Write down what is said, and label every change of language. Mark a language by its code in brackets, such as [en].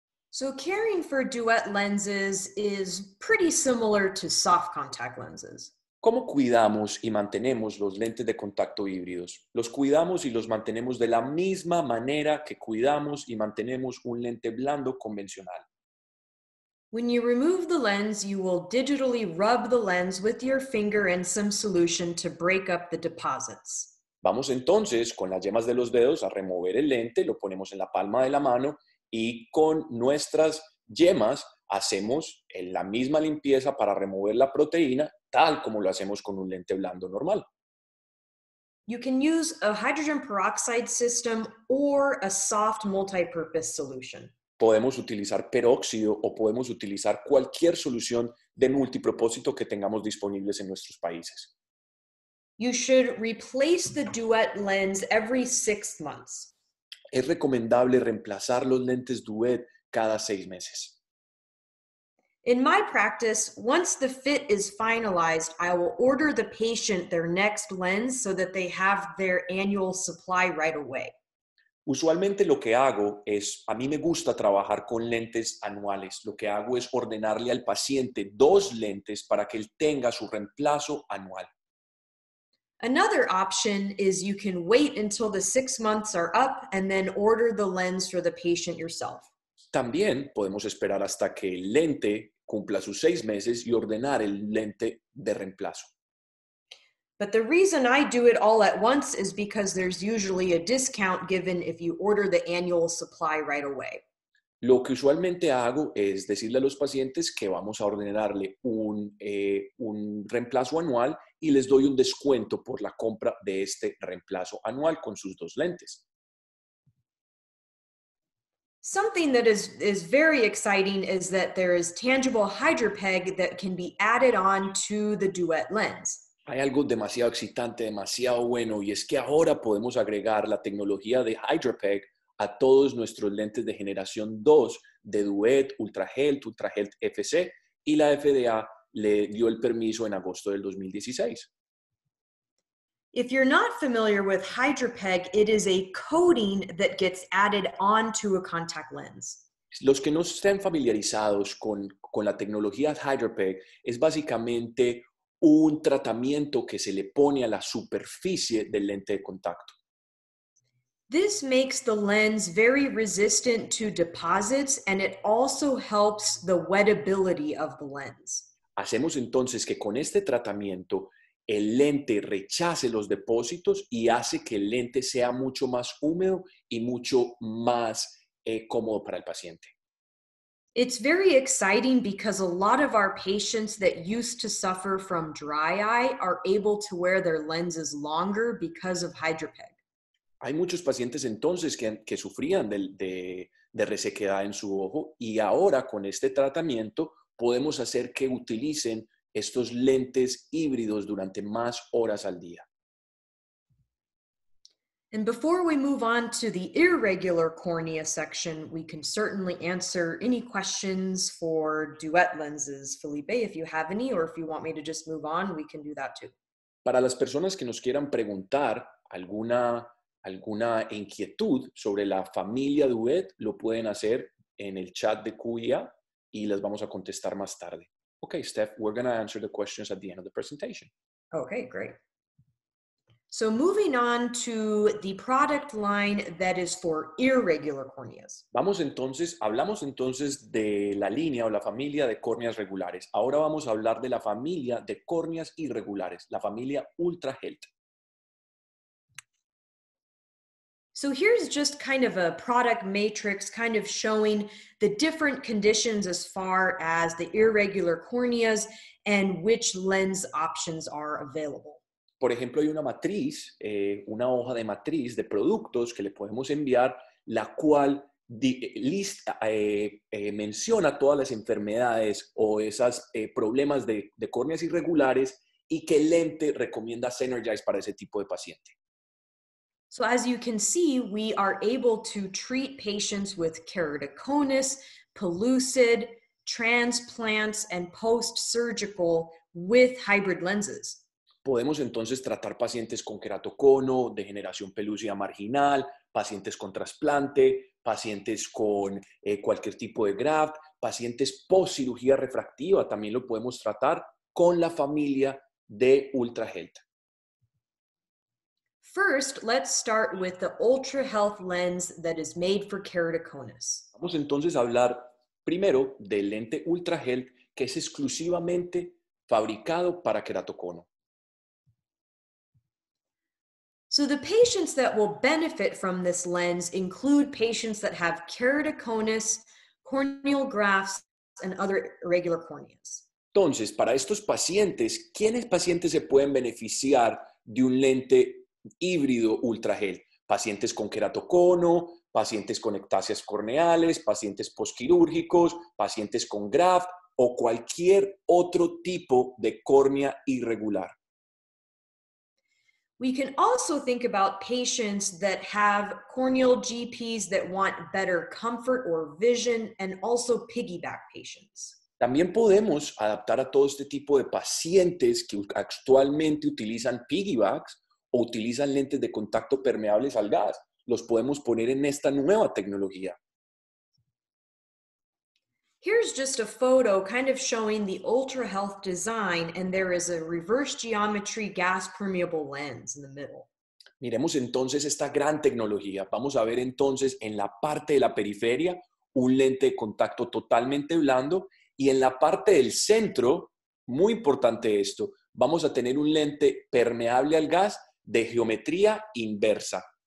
[en] So caring for duet lenses is pretty similar to soft contact lenses. [es] ¿Cómo cuidamos y mantenemos los lentes de contacto híbridos? Los cuidamos y los mantenemos de la misma manera que cuidamos y mantenemos un lente blando convencional. [en] When you remove the lens, you will digitally rub the lens with your finger and some solution to break up the deposits. [es] Vamos entonces con las yemas de los dedos a remover el lente, lo ponemos en la palma de la mano. Y con nuestras yemas hacemos la misma limpieza para remover la proteína, tal como lo hacemos con un lente blando normal. [en] You can use a hydrogen peroxide system or a soft multipurpose solution. [es] Podemos utilizar peróxido o podemos utilizar cualquier solución de multipropósito que tengamos disponibles en nuestros países. [en] You should replace the duet lens every 6 months. [es] Es recomendable reemplazar los lentes duet cada 6 meses. [en] In my practice, once the fit is finalized, I will order the patient their next lens so that they have their annual supply right away. [es] Usualmente lo que hago es, a mí me gusta trabajar con lentes anuales. Lo que hago es ordenarle al paciente dos lentes para que él tenga su reemplazo anual. [en] Another option is you can wait until the 6 months are up and then order the lens for the patient yourself. [es] También podemos esperar hasta que el lente cumpla sus 6 meses y ordenar el lente de reemplazo. [en] But the reason I do it all at once is because there's usually a discount given if you order the annual supply right away. [es] Lo que usualmente hago es decirle a los pacientes que vamos a ordenarle un reemplazo anual y les doy un descuento por la compra de este reemplazo anual con sus dos lentes. [en] Something that is very exciting is that there is tangible hydropeg that can be added on to the Duet lens. [es] Hay algo demasiado excitante, demasiado bueno, y es que ahora podemos agregar la tecnología de hydropeg a todos nuestros lentes de generación 2 de Duet, UltraHealth, UltraHealth FC, y la FDA le dio el permiso en agosto del 2016. [en] If you're not familiar with hydropeg, it is a coating that gets added onto a contact lens. [es] Los que no estén familiarizados con la tecnología hydropeg, es básicamente un tratamiento que se le pone a la superficie del lente de contacto. [en] This makes the lens very resistant to deposits and it also helps the wettability of the lens. [es] Hacemos entonces que con este tratamiento el lente rechace los depósitos y hace que el lente sea mucho más húmedo y mucho más cómodo para el paciente. [en] It's very exciting because a lot of our patients that used to suffer from dry eye are able to wear their lenses longer because of hydropeg. [es] Hay muchos pacientes entonces que sufrían de resequedad en su ojo y ahora con este tratamiento podemos hacer que utilicen estos lentes híbridos durante más horas al día. [en] And before we move on to the irregular cornea section, we can certainly answer any questions for Duet lenses. Felipe, if you have any or if you want me to just move on, we can do that too. [es] Para las personas que nos quieran preguntar alguna inquietud sobre la familia Duet, lo pueden hacer en el chat de Cuya y las vamos a contestar más tarde. [en] Okay, Steph, we're going to answer the questions at the end of the presentation. Okay, great. So moving on to the product line that is for irregular corneas. [es] Hablamos entonces de la línea o la familia de córneas regulares. Ahora vamos a hablar de la familia de córneas irregulares, la familia UltraHealth. [en] So here's just kind of a product matrix kind of showing the different conditions as far as the irregular corneas and which lens options are available. [es] Por ejemplo, hay una matriz, una hoja de matriz de productos que le podemos enviar, la cual menciona todas las enfermedades o esas problemas de córneas irregulares y qué lente recomienda Synergize para ese tipo de paciente. [en] So as you can see, we are able to treat patients with keratoconus, pellucid, transplants, and post-surgical with hybrid lenses. [es] Podemos entonces tratar pacientes con keratocono, degeneración pelúcida marginal, pacientes con trasplante, pacientes con cualquier tipo de graft, pacientes post-cirugía refractiva, también lo podemos tratar con la familia de UltraHealth. [en] First, let's start with the UltraHealth lens that is made for keratoconus. [es] Vamos entonces a hablar primero del lente UltraHealth que es exclusivamente fabricado para keratocono. [en] So the patients that will benefit from this lens include patients that have keratoconus, corneal grafts, and other irregular corneas. [es] Entonces, para estos pacientes, ¿quiénes pacientes se pueden beneficiar de un lente híbrido UltraHealth? Pacientes con keratocono, pacientes con ectasias corneales, pacientes posquirúrgicos, pacientes con graft o cualquier otro tipo de córnea irregular. [en] We can also think about patients that have corneal GPs that want better comfort or vision and also piggyback patients. [es] También podemos adaptar a todo este tipo de pacientes que actualmente utilizan piggybacks o utilizan lentes de contacto permeables al gas. los podemos poner en esta nueva tecnología. [en] Here's just a photo kind of showing the ultra health design, and there is a reverse geometry gas permeable lens in the middle. [es] Miremos entonces esta gran tecnología. Vamos a ver entonces en la parte de la periferia un lente de contacto totalmente blando, y en la parte del centro, muy importante esto, vamos a tener un lente permeable al gas de geometría inversa.